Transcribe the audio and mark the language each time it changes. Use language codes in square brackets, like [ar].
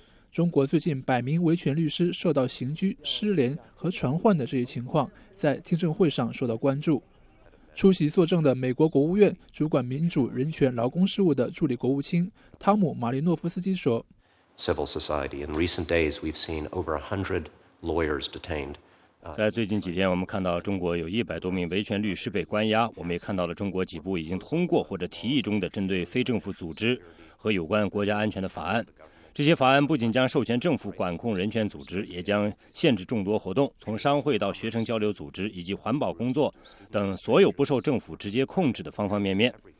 [zh] 中国最近百名维权律师受到刑拘、失联和传唤的这一情况在听证会上受到关注。出席作证的美国国务院主管民主、人权、劳工事务的助理国务卿汤姆·马利诺夫斯基说 [en] Civil society. In recent days, we've seen over 100 lawyers detained. [zh] 在最近几天，我们看到中国有100多名维权律师被关押，我们也看到了中国几部已经通过或者提议中的针对非政府组织和有关国家安全的法案。这些法案不仅将授权政府管控人权组织，也将限制众多活动，从商会到学生交流组织以及环保工作等所有不受政府直接控制的方方面面。